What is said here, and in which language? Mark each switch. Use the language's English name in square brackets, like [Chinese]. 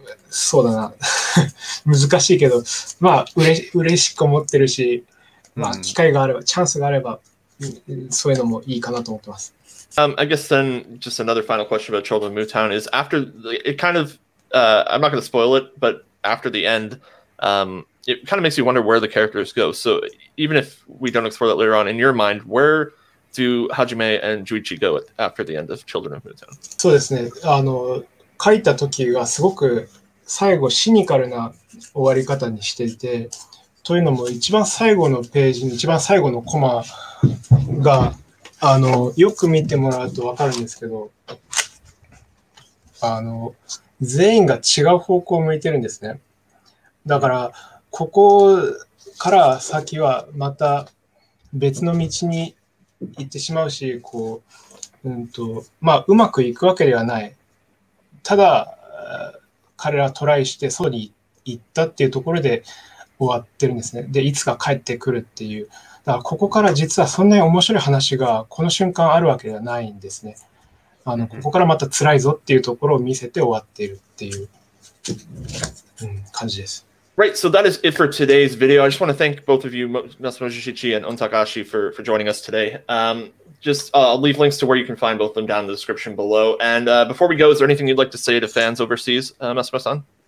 [Japanese] そうだな。難しいけど、まあ、嬉しく思ってるし、まあ、機会があれば、チャンスがあれば、そういうのもいいかなと思ってます。 [English] I guess then, just another final question about Children of Mutown is after, it kind of, I'm not going to spoil it, but after the end, it kind of makes you wonder where the characters go. So even if we don't explore that later on, in your mind, where do Hajime and Juichi go with after the end of Children of Mutown? [Japanese] そうですね。書いた時がすごく最後シニカルな終わり方にしていて、というのも一番最後のページに一番最後のコマがよく見てもらうと分かるんですけど、全員が違う方向を向いてるんですね。だからここから先はまた別の道に行ってしまうし、こう、まあうまくいくわけではない。ただ彼らトライしてそうに行ったっていうところで終わってるんですね。でいつか帰ってくるっていう、だからここから実はそんなに面白い話がこの瞬間あるわけではないんですね。ここからまた辛いぞっていうところを見せて終わっているっていう、感じです。 [English] Right, so that is it for today's video. I just want to thank both of you, Masamojishichi and Ontakashi, for joining us today. I'll leave links to where you can find both of them down in the description below. And before we go, is there anything you'd like to say to fans overseas, Masamo-san?